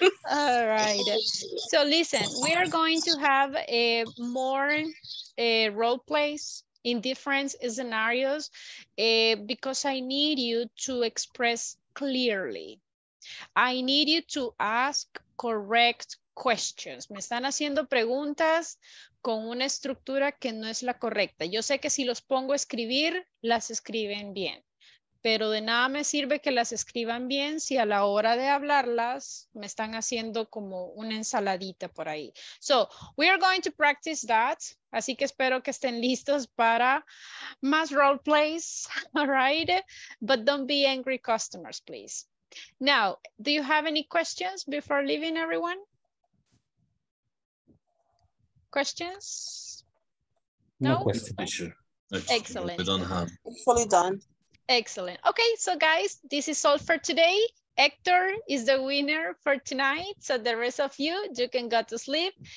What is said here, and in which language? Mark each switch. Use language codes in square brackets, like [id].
[en] All right. So listen, we are going to have more role plays in different scenarios because I need you to express clearly. I need you to ask correct questions. [es] Me están haciendo preguntas con una estructura que no es la correcta. Yo sé que si los pongo a escribir, las escriben bien, pero de nada me sirve que las escriban bien si a la hora de hablarlas me están haciendo como una ensaladita por ahí. [en] So, we are going to practice that. [es] Así que espero que estén listos para más [en] role plays, all right? But don't be angry customers, please. Now, do you have any questions before leaving, everyone? Questions? No questions. Excellent. We don't have. Fully done. Excellent. Okay, so guys, this is all for today. Hector is the winner for tonight, so the rest of you, you can go to sleep.